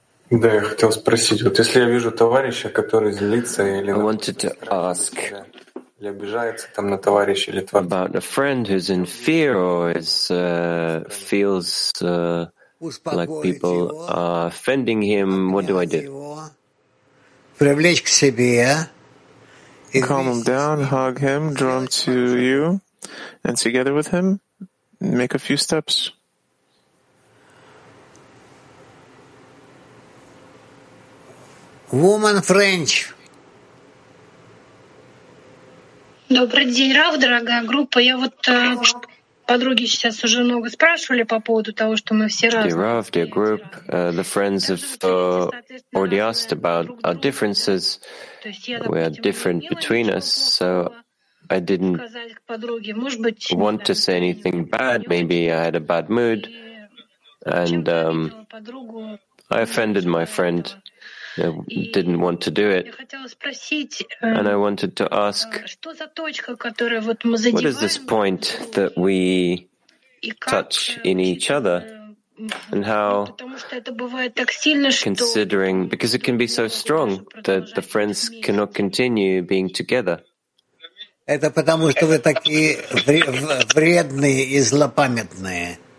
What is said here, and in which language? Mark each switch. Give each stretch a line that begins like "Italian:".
Russian: Да, я хотел спросить, вот если я вижу товарища, который злится или обижается там на товарища или творца.
English: About a friend who's in fear or is feels like people are offending him, what do I do?
Russian: Привлечь к себе.
English: Calm him down, hug him, draw him to you, and together with him, make a few steps. Woman French.
Russian: Добрый день, Рав, дорогая группа. Я вот подруги сейчас уже много спрашивали по поводу того, что мы все разные.
English: Dear Rav, dear group, the friends have already asked about our differences. We are different between us, so I didn't want to say anything bad. Maybe I had a bad mood, and I offended my friend. I didn't want to do it. And I wanted to ask, what is this point that we touch in each other? And how, considering, because it can be so strong that the friends cannot continue being together.
Russian: Это потому, что вы такие вредные и злопамятные.